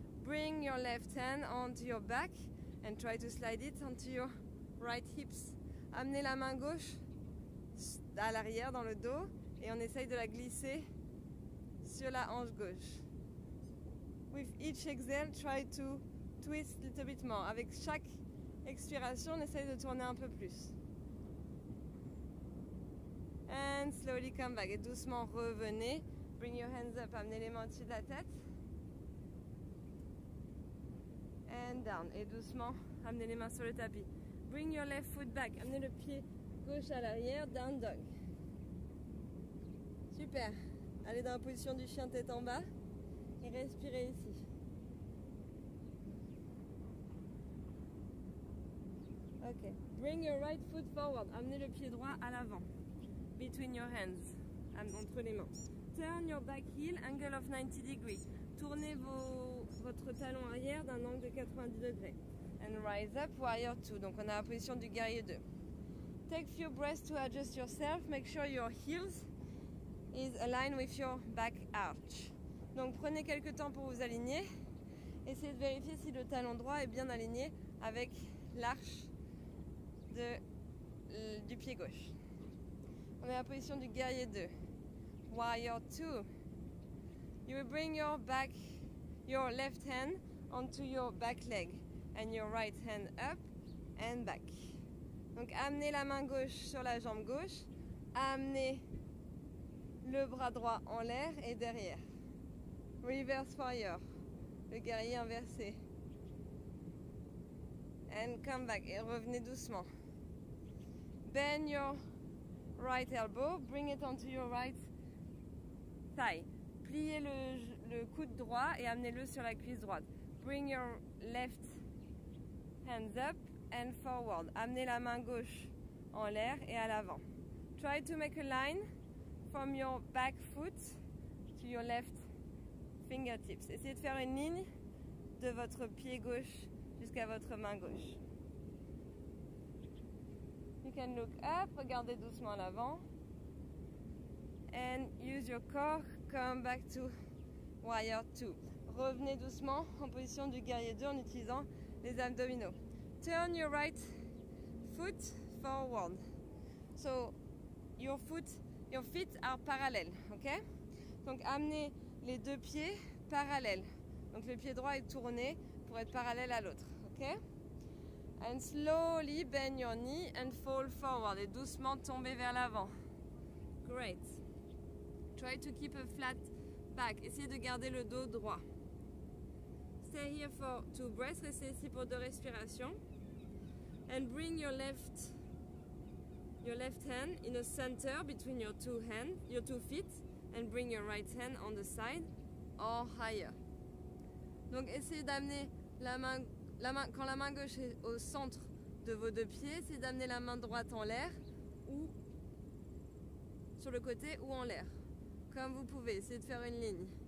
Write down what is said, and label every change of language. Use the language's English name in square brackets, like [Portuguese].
[English] Bring your left hand onto your back and try to slide it onto your right hips. [French] Amenez la main gauche à l'arrière dans le dos et on essaye de la glisser sur la hanche gauche. [English] With each exhale, try to twist a little bit more. [French] Avec chaque expiration, on essaye de tourner un peu plus. [English] And slowly come back. [French] Et doucement revenez. [English] Bring your hands up. [French] Amenez les mains au-dessus de la tête. [English] And down. [French] Et doucement, amenez les mains sur le tapis. [English] Bring your left foot back. [French] Amenez le pied gauche à l'arrière. [English] Down dog. Super. [French] Allez dans la position du chien tête en bas. Et respirez ici. [English] Ok. Bring your right foot forward. [French] Amenez le pied droit à l'avant. [English] Between your hands, [French] entre les mains. [English] Turn your back heel, angle of 90 degrees. [French] Tournez votre talon arrière d'un angle de 90 degrés. [English] And rise up, warrior 2. [French] Donc on a la position du guerrier 2. [English] Take few breaths to adjust yourself. Make sure your heels is aligned with your back arch. [French] Donc prenez quelques temps pour vous aligner. Essayez de vérifier si le talon droit est bien aligné avec l'arche du pied gauche. On est à la position du guerrier 2. Warrior 2. [English] You will bring your back, your left hand onto your back leg. And your right hand up and back. [French] Donc amenez la main gauche sur la jambe gauche. Amenez le bras droit en l'air et derrière. [English] Reverse warrior. [French] Le guerrier inversé. [English] And come back. [French] Et revenez doucement. [English] Bend your right elbow, bring it onto your right thigh. [French] Pliez le coude droit et amenez-le sur la cuisse droite. [English] Bring your left hands up and forward. [French] Amenez la main gauche en l'air et à l'avant. [English] Try to make a line from your back foot to your left fingertips. [French] Essayez de faire une ligne de votre pied gauche jusqu'à votre main gauche. [English] You can look up, [French] regardez doucement à l'avant. [English] And use your core, come back to warrior 2. [French] Revenez doucement en position du guerrier 2 en utilisant les abdominaux. [English] Turn your right foot forward. So your feet are parallel, ok? [French] Donc amenez les deux pieds parallèles. Donc le pied droit est tourné pour être parallèle à l'autre, ok? [English] And slowly bend your knee and fall forward. [French] Et doucement tomber vers l'avant. Great. [English] Try to keep a flat back. [French] Essayez de garder le dos droit. [English] Stay here for two breaths. [French] Restez ici pour deux respirations. [English] And bring your left hand in a center between your two feet. And bring your right hand on the side. en higher. [French] Donc essayez d'amener quand la main gauche est au centre de vos deux pieds, essayez d'amener la main droite en l'air ou sur le côté ou en l'air. Comme vous pouvez, essayez de faire une ligne.